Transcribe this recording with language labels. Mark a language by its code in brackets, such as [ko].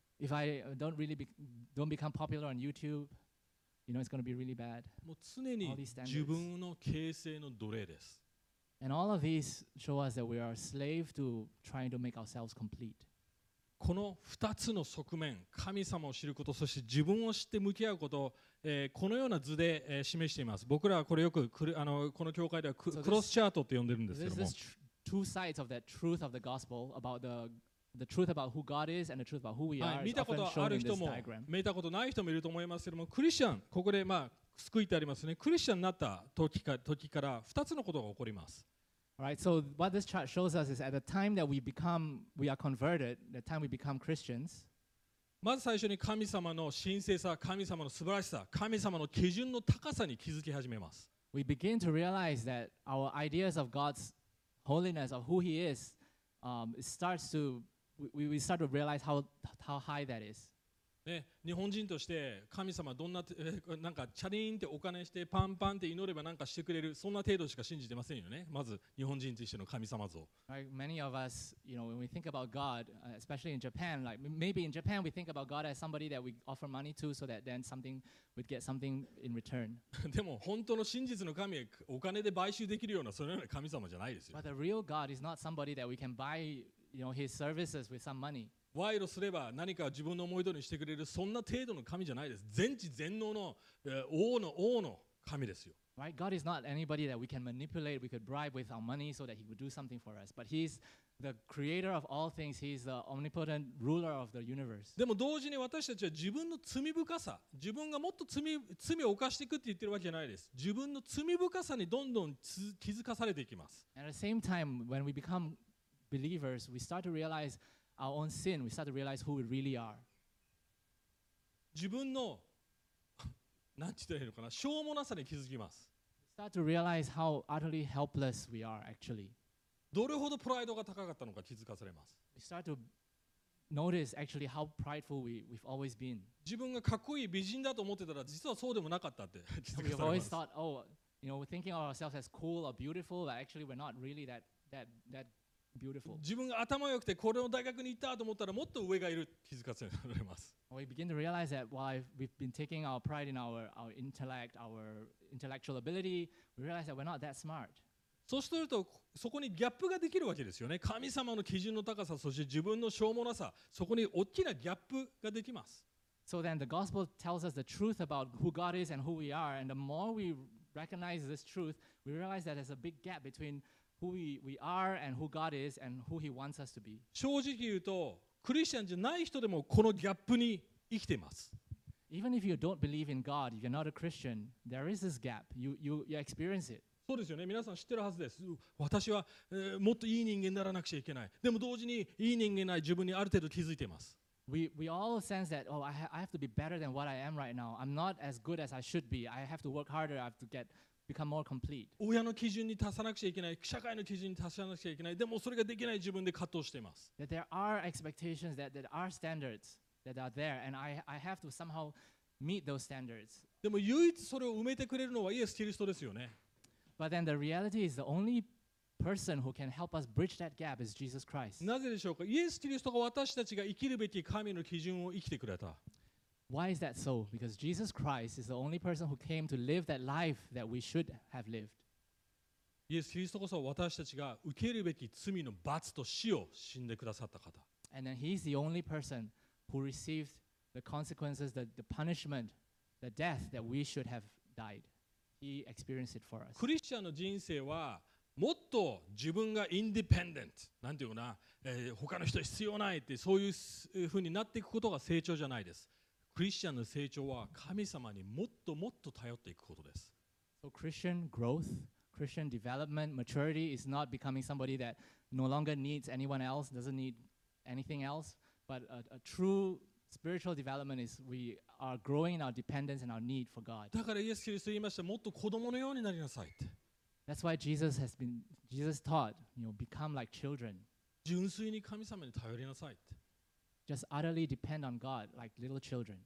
[en] If I don't really don't become popular on YouTube, you know, it's going to be really bad. [ja] もう常に自分の形成の奴隷です。 [en] And all of these show us that we are slave to trying to make ourselves complete. [ja] この2つの側面、神様を知ること、そして自分を知って向き合うこと、このような図で、示しています。僕らはこれよくこの教会では [en] so、this, [ja] クロスチャートって呼んでるんですけども。 [en] This is two sides of that truth of the gospel about the truth about who God is and the truth about who we are. [ja] 見たことある人も、見たことない人もいると思いますけども、クリスチャン、ここでまあ、救いてありますね。クリスチャンになった時から2つのことが起こります。 [en] Right, so what this chart shows us is at the time that we are converted, the time we become Christians. [ja] まず最初に神様の神聖さ、神様の素晴らしさ、神様の基準の高さに気づき始めます。 [en] We begin to realize that our ideas of God's holiness, of who He is, start to realize how high that is. [ja] ね、日本人として神様どんな、なんかチャリーンってお金してパンパンって祈ればなんかしてくれるそんな程度しか信じてませんよね。まず日本人としての神様像。 [en] Like many of us, you know, when we think about God, especially in Japan, like maybe in Japan we think about God as somebody that we offer money to so that then something we'd get something in return. [ja] でも本当の真実の神はお金で買収できるようなそのような神様じゃないですよ。 [en] But the real God is not somebody that we can buy, you know, his services with some money. [ja] 賄賂すれば何か自分の思い通りにしてくれるそんな程度の神じゃないです。全知全能の王の神ですよ。 [en] Right, God is not anybody that we can manipulate, we could bribe with our money so that He would do something for us. But He's the Creator of all things. He's the omnipotent ruler of the universe. [ja] でも同時に私たちは自分の罪深さ、自分がもっと罪を犯していくって言ってるわけじゃないです。自分の罪深さにどんどん気づかされていきます。 [en] At the same time, when we become believers, we start to realizeOur own sin, we start to realize who we really are. [ja] 自分の何て言うのかな、しょうもなさに気づきます。 [en] We start to realize how utterly helpless we are actually. [ja] どれほどプライドが高かったのか気づかされます。 [en] We start to notice actually how prideful we've always been. [ja] 自分がかっこいい美人だと思ってたら実はそうでもなかったって気づかされます。 [en] We always thought, oh, you know, we're thinking of ourselves as cool or beautiful, but actually we're not really that. Beautiful. [ja] 自分が頭良くてこれの大学に行ったと思ったらもっと上がいる気づかせられます。 [en] We begin to realize that while we've been taking our pride in our intellect, our intellectual ability, we realize that we're not that smart. [ja] そうするとそこにギャップができるわけですよね。神様の基準の高さそして自分のしょうもなさそこに大きなギャップができます。 [en] So then the gospel tells us the truth about who God is and who we are, and the more we recognize this truth, we realize that there's a big gap between. Who we are and who God is and who He wants us to be. [ja] 正直言うと、クリスチャンじゃない人でもこのギャップに生きています。 [en] Even if you don't believe in God, if you're not a Christian, there is this gap. You experience it. [ja] そうですよね。皆さん知ってるはずです。私は、もっといい人間にならなくちゃいけない。でも同時にいい人間ない自分にある程度気づいています。 [en] We all sense that, oh, I have to be better than what I am right now. I'm not as good as I should be. I have to work harder. I have to get... Become more complete. [ja] 親の基準に達さなくちゃいけない、社会の基準に達さなくちゃいけない。でもそれができない自分で葛藤しています。 [en] That there are expectations, that there are standards that are there, and I have to somehow meet those standards. [ja] でも唯一それを埋めてくれるのはイエス・キリストですよね。 [en] But then the reality is the only person who can help us bridge that gap is Jesus Christ. [ja] なぜでしょうか。イエス・キリストが私たちが生きるべき神の基準を生きてくれた。 [en] Why is that so? Because Jesus Christ is the only person who came to live that life that we should have lived. [ja] イエス・キリストこそ私たちが受けるべき罪の罰と死を死んでくださった方。 [en] And then he is the only person who received the consequences, the punishment, the death that we should have died. He experienced it for us. [ja] クリスチャンの人生はもっと自分がインディペンデント、なんていうかな、他の人必要ないってそういうふうになっていくことが成長じゃないです。クリスチャンの成長は神様にもっともっと頼っていくことです。 [en] So Christian growth, Christian development, maturity is not becoming somebody that no longer needs anyone else, doesn't need anything else, but a true spiritual development is we are growing in our dependence and our need for God. [ja] だからイエス・キリスト言いました、もっと子供のようになりなさいって。 [en] That's why Jesus taught, you know, become like children. [ja] 純粋に神様に頼りなさいって。 [en] Just utterly depend on God like little children.